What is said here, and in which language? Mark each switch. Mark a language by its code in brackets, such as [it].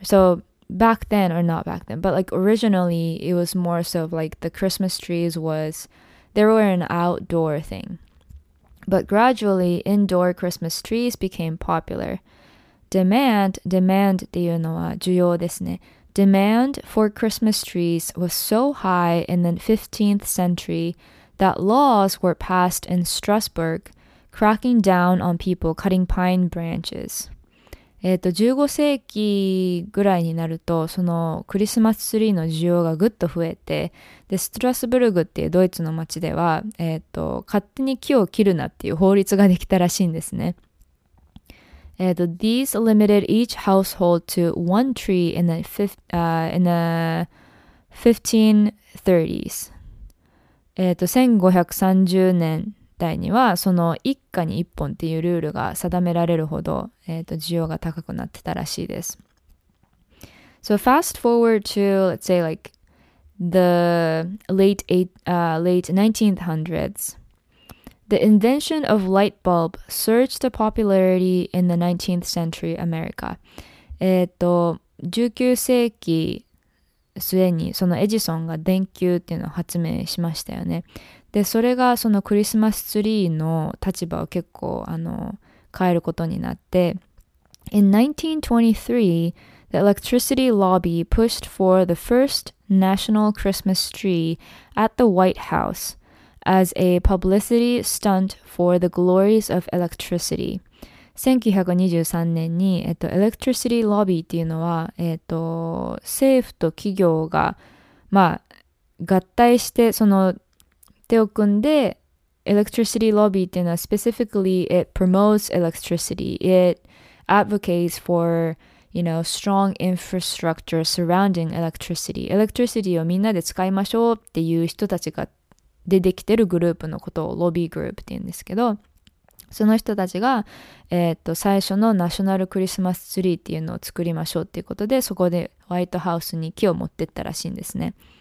[en] So back then, or not back then, but like originally, it was more so like the Christmas trees was, they were an outdoor thing. But gradually, indoor Christmas trees became popular. Demand, [ja] っていうのは需要ですね。 [en] Demand for Christmas trees was so high in the 15th century that laws were passed in Strasbourg, cracking down on people cutting pine branches. [ja] 15世紀ぐらいになるとそのクリスマスツリーの需要がぐっと増えて、でストラスブルグっていうドイツの町では、勝手に木を切るなっていう法律ができたらしいんですね。 [en] These limited each household to one tree in the, in the 1530s. [ja] 1530年代にはその一家に一本っていうルールが定められるほど、需要が高くなってたらしいです。 [en] So fast forward to, let's say, like the late 1900s. The invention of light bulb surged the popularity in the 19th century America. [ja] 19世紀末にそのエジソンが電球っていうのを発明しましたよね。で、それがそのクリスマスツリーの立場を結構変えることになって。 [en] In 1923, the electricity lobby pushed for the first national Christmas tree at the White House. As a publicity stunt for the glories of electricity. [ja] 1923年に、electricity lobby っていうのは、政府と企業が、まあ、合体してその手を組んで、 [en] electricity lobby [ja] っていうのは [en] specifically it promotes electricity. It advocates for, you know, strong infrastructure surrounding electricity. [ja] Electricity をみんなで使いましょうっていう人たちがでできてるグループのことをロビーグループって言うんですけど、その人たちが、最初のナショナルクリスマスツリーっていうのを作りましょうっていうことで、そこでホワイトハウスに木を持ってったらしいんですね。